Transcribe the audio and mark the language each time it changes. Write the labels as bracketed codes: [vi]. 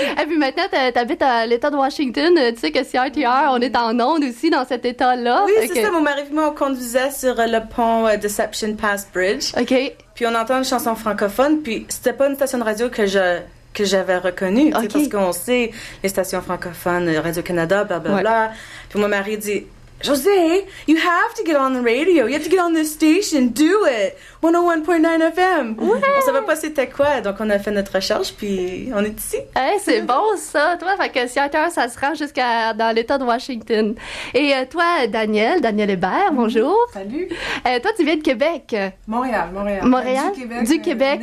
[fr] Et puis maintenant, t'habites à l'État de Washington, tu sais que CITR, on est en onde aussi dans cet État-là. Oui, c'est que... ça, mon mari et moi, on conduisait sur le pont Deception Pass Bridge. OK. Puis on entend une chanson francophone, puis c'était pas une station de radio que j'avais reconnue. Okay. Parce qu'on sait les stations francophones, Radio-Canada, blablabla. Ouais. Puis mon mari dit, [en] Josée, you have to get on the radio, you have to get on this station, do it, 101.9 FM. [fr] Ouais. On savait pas c'était quoi, donc on a fait notre recherche, puis on est ici. Hey, c'est bon ça, toi, fait que si à cœur, ça se rend jusqu'à dans l'État de Washington. Et toi, Danielle Hébert, bonjour. Salut. Toi, tu viens de Québec. Montréal. Du Québec.